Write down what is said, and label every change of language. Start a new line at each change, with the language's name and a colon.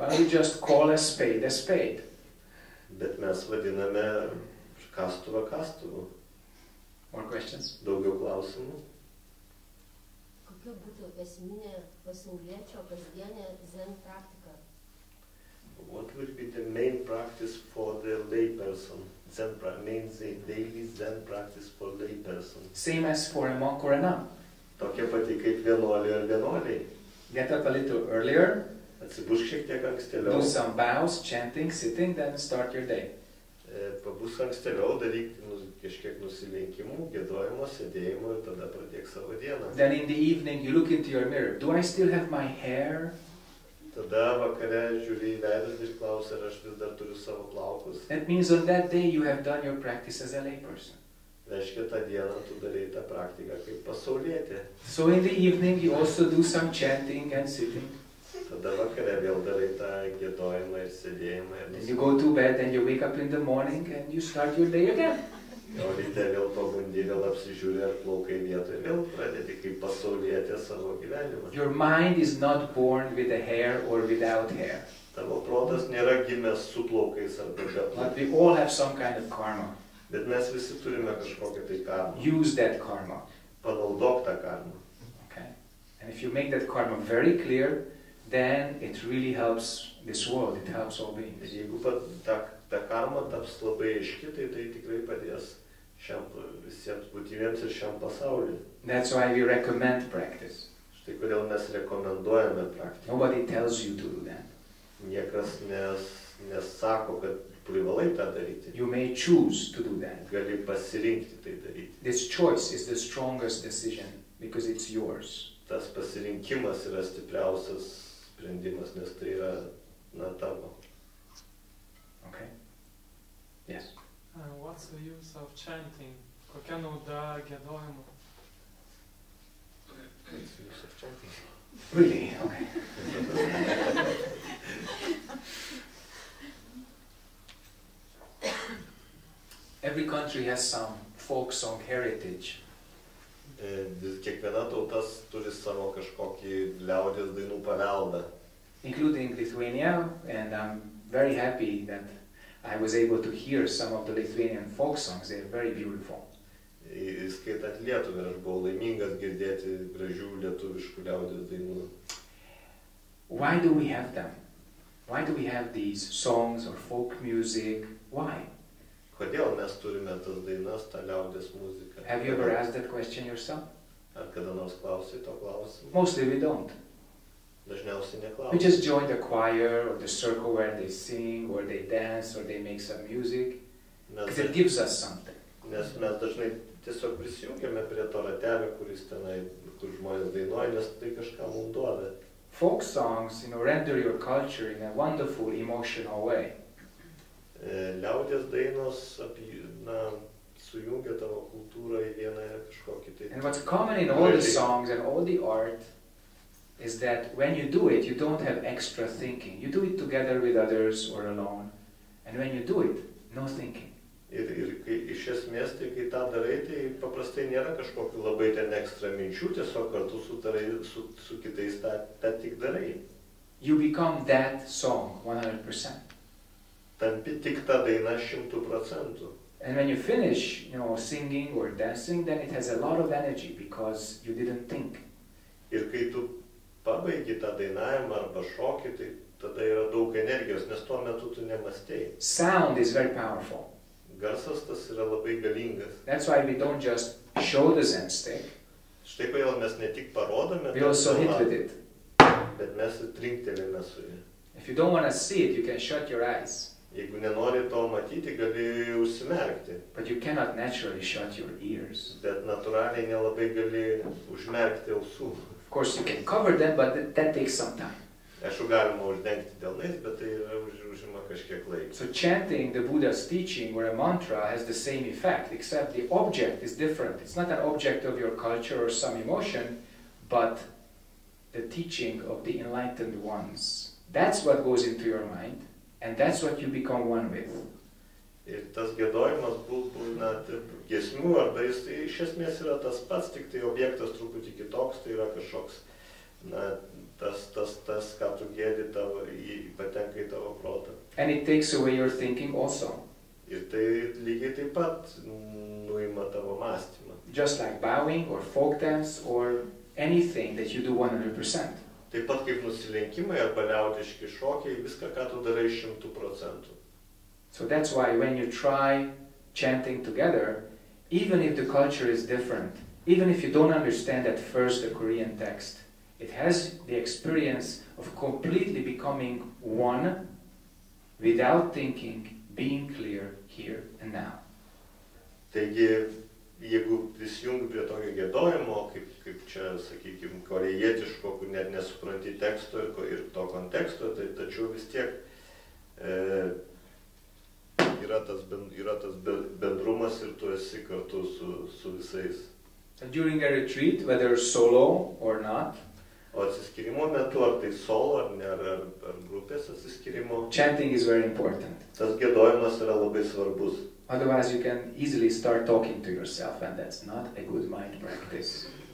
English: Well, we just call a spade a spade.
Lithuanian: Bet mes vadiname kastuvą kastuvą.
English: More questions?
Lithuanian: Daugiau klausimų. Kokia būtų esminė pasauliečio kasdienė Zen praktika?
English: What would be the main practice for the lay person? Zen main daily Zen practice for lay person. Same as for a monk or a nun.
Lithuanian: Tokia pati kaip vienuolį ar vienuolį.
English: Get up a little earlier.
Lithuanian: Atsibūsk šiek tiek ankstėliau.
English: Do some bows, chanting, sitting, then start your day.
Lithuanian: Pabūsk ankstėliau, daryk kažkiek nusilenkimų, gėdojimo, sėdėjimo ir tada pradėk savo dieną.
English: Then in the evening you look into your mirror. Do I still have my hair?
Lithuanian: Tada vakare žiūri į veidus ir klausi, ar aš vis dar turiu savo plaukus.
English: That means on that day you have done your practice as a lay person.
Lithuanian: Reiškia, tą dieną tu darėjai tą praktiką kaip pasaulietė.
English: So in the evening you also do some chanting and sitting.
Lithuanian: Tada vakare vėl darai tą giedojimą ir sėdėjimą.
English: Then you go to bed and you wake up in the morning and you start your day again.
Lithuanian: O ryte vėl pabundi, vėl apsižiūri, ar plaukai vietoj, vėl pradėti kaip pasaulietė savo gyvenimą.
English: Your mind is not born with a hair or without hair.
Lithuanian: Tavo protas nėra gimęs su plaukais ar be plaukais.
English: But we all have some kind of karma.
Lithuanian: Bet mes visi turime kažkokią tai karmą.
English: Use that karma.
Lithuanian: Panaudok tą karmą.
English: Okay. And if you make that karma very clear, then it really helps this world, it helps all beings.
Lithuanian: Jeigu ta karma taps labai aiški, tai tikrai padės šiam visiems būtybėms ir šiam pasauliu.
English: That's why we recommend practice.
Lithuanian: Štai kodėl mes rekomenduojame praktiką.
English: Nobody tells you to do that.
Lithuanian: Niekas nesako, kad privalai tą daryti.
English: You may choose to do that.
Lithuanian: Gali pasirinkti tai daryti.
English: This choice is the strongest decision because it's yours.
Lithuanian: Tas pasirinkimas yra stipriausias sprendimas, nes tai yra na tavo.
English: Okay. Yes. What's the use of chanting?
Lithuanian: Kokia nauda giedojimo?
English: What's the use of chanting? Really? Okay. Every country has some folk song heritage.
Lithuanian: Kiekviena tauta turi savo kažkokį liaudies dainų paveldą.
English: Including Lithuania, and I'm very happy that I was able to hear some of the Lithuanian folk songs. They are very beautiful.
Lithuanian: Įskaitant Lietuvą, aš buvau laimingas girdėti gražių lietuviškų liaudies dainų.
English: Why do we have them? Why do we have these songs or folk music? Why?
Lithuanian: Kodėl mes turime tas dainas, tą liaudies muziką?
English: Have you ever asked that question yourself?
Lithuanian: Ar kada nors klausi to klausimą?
English: Mostly we don't.
Lithuanian: Dažniausiai neklausi.
English: We just join the choir or the circle where they sing or they dance or they make some music. Because it gives us something.
Lithuanian: Nes mes dažnai tiesiog prisijungiame prie to ratelio, kur žmonės dainuoja, nes tai kažką mums duoda.
English: Folk songs, you know, render your culture in a wonderful emotional way.
Lithuanian: Liaudies dainos sujungia tavo kultūrą į vieną kažkokį tai.
English: And what's common in all the songs and all the art is that when you do it, you don't have extra thinking. You do it together with others or alone. And when you do it, no thinking.
Lithuanian: Ir iš esmės, tai kai tą darai, tai paprastai nėra kažkokių labai ten ekstra minčių, tiesiog kartu su kitais tą tik darai.
English: You become that song 100%.
Lithuanian: Tampi tik tą dainą 100%.
English: And when you finish, you know, singing or dancing, then it has a lot of energy because you didn't think.
Lithuanian: Ir kai tu pabaigi tą dainavimą arba šokį, tai tada yra daug energijos, nes tuo metu tu nemastėjai.
English: Sound is very powerful.
Lithuanian: Garsas tas yra labai galingas.
English: That's why we don't just show the Zen stick.
Lithuanian: Štai kodėl mes ne tik parodome,
English: we also hit with it.
Lithuanian: Bet mes ir trinktelėme su jį.
English: If you don't want to see it, you can shut your eyes.
Lithuanian: Jeigu nenori to matyti, gali užsimerkti.
English: But you cannot naturally shut your ears.
Lithuanian: Bet natūraliai nelabai gali užmerkti ausų.
English: Of course you can cover them, but that takes some time.
Lithuanian: Aišku, galima uždengti delnais, bet tai yra užima kažkiek laiko.
English: So chanting the Buddha's teaching or a mantra has the same effect, except the object is different. It's not an object of your culture or some emotion, but the teaching of the enlightened ones. That's what goes into your mind. And that's what you become one with.
Lithuanian: Ir tas giedojimas būna giesmių, arba jis iš esmės yra tas pats, tik tai objektas truputį kitoks, tai yra kažkoks, tas, ką tu giedi, patenka į tavo protą.
English: And it takes away your thinking also.
Lithuanian: Ir tai lygiai taip pat nuima tavo mąstymą.
English: Just like bowing or folk dance or anything that you do 100%.
Lithuanian: Taip pat kaip nusilenkimai arba liaudiški šokiai, viską, ką tu darai 100%.
English: So that's why when you try chanting together, even if the culture is different, even if you don't understand at first the Korean text, it has the experience of completely becoming one without thinking, being clear here and now.
Lithuanian: Taigi, jeigu prisijungi prie tokio gėdojimo, kaip čia, sakykime, korejietiško, kur net nesupranti teksto ir to konteksto, tai tačiau vis tiek yra tas bendrumas ir tu esi kartu su visais.
English: During a retreat, whether solo or not,
Lithuanian: o atsiskirimo metu, ar tai solo, ar grupės atsiskirimo,
English: chanting is very important.
Lithuanian: Tas gėdojimas yra labai svarbus.
English: Otherwise you can easily start talking to yourself and that's not a good mind practice.